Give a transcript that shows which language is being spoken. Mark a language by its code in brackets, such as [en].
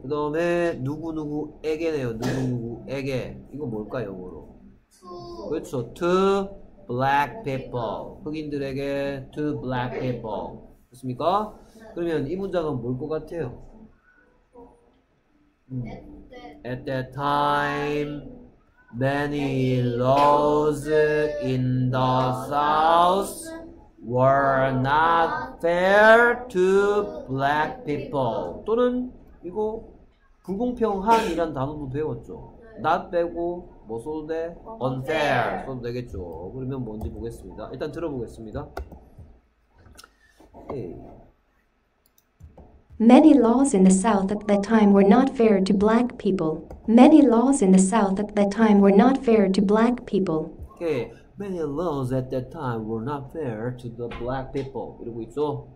[ko] 그 다음에 누구누구에게네요. 누구누구에게. 이거 뭘까요? 영어로. 그렇죠. [en] To black people. [ko] 흑인들에게 [en] to black people. [ko] 됐습니까? 그러면 이 문장은 뭘 것 같아요? [en] At that time, many laws in the South were not fair to black people. [ko] 또는 이거 불공평한이란 단어도 배웠죠. 낫 빼고 뭐 써도 돼? Unfair 써도 되겠죠. 그러면 뭔지 보겠습니다. 일단 들어보겠습니다. [en] Many laws in the South at that time were not fair to black people. Many laws in the South at that time were not fair to black people. Okay. Many laws at that time were not fair to the black people. [ko] 이러고 있죠?